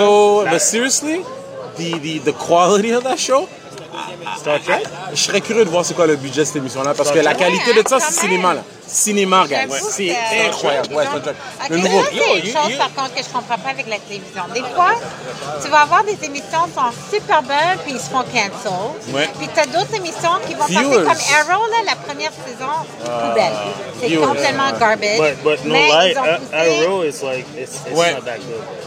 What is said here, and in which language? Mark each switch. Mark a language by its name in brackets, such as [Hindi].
[French] Ouais, [English] but seriously, the quality of that show... Star Trek? [French] Je serais curieux de voir c'est quoi le budget de cette émission-là, parce que la qualité de ça, c'est cinéma, là. Cinéma, gars. C'est incroyable. Ouais, Star Trek. Le nouveau. Ça, c'est une chose, par contre, que je comprends pas avec la télévision. Des fois, tu vas avoir des émissions qui sont super bonnes, puis ils se font cancel. Ouais. Puis tu as d'autres émissions qui vont passer comme Arrow, là, la première saison, poubelle. C'est complètement garbage. [English] But no lie, Arrow, it's like, it's not that good.